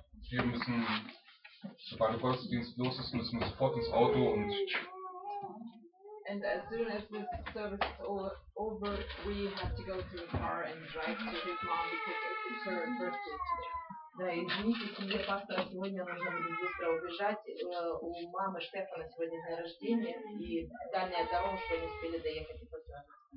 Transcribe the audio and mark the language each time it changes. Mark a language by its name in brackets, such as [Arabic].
[German] Wir müssen, sobald der Gottesdienst los ist, müssen wir sofort ins Auto und. [English] And as soon as this service is all over, we have to go to the car and drive to his mom because it's her birthday today. [Russian] Да, извините, семье пастора сегодня нужно будет быстро убежать. У мамы Штефана сегодня день рождения, и дальняя дорога, что не успели доехать и позвонить.